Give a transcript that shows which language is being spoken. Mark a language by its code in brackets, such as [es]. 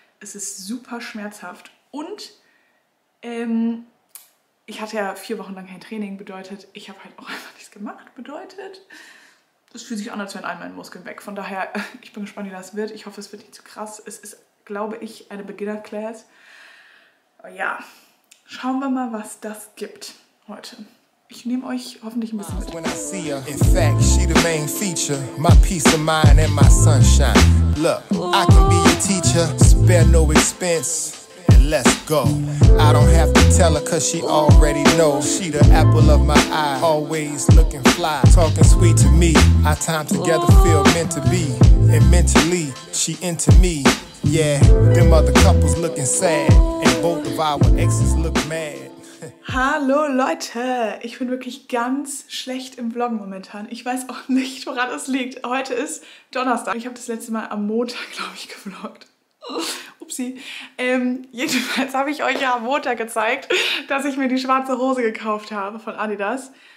[de] Es ist super schmerzhaft und ich hatte ja 4 Wochen lang kein Training, bedeutet, ich habe halt auch einfach nichts gemacht, bedeutet, es fühlt sich an, als wären all meine Muskeln weg. Von daher, ich bin gespannt, wie das wird. Ich hoffe, es wird nicht zu krass. Es ist, glaube ich, eine Beginner-Class. Aber ja, schauen wir mal, was das gibt heute. Ich nehme euch hoffentlich ein bisschen mit. [en] When I see her, in fact, she the main feature. My peace of mind and my sunshine. Look, I can be your teacher, spare no expense. Let's go. I don't have to tell her cause she already knows. She the apple of my eye, always looking fly. Talking sweet to me, our time together feel meant to be. And mentally, she into me. Yeah, them other couples looking sad. And both of our exes look mad. [de] Hallo Leute, ich bin wirklich ganz schlecht im Vloggen momentan. Ich weiß auch nicht, woran es liegt. Heute ist Donnerstag. Ich habe das letzte Mal am Montag, glaube ich, gevloggt. Upsi. Jedenfalls habe ich euch ja am Montag gezeigt, dass ich mir die schwarze Hose gekauft habe von Adidas.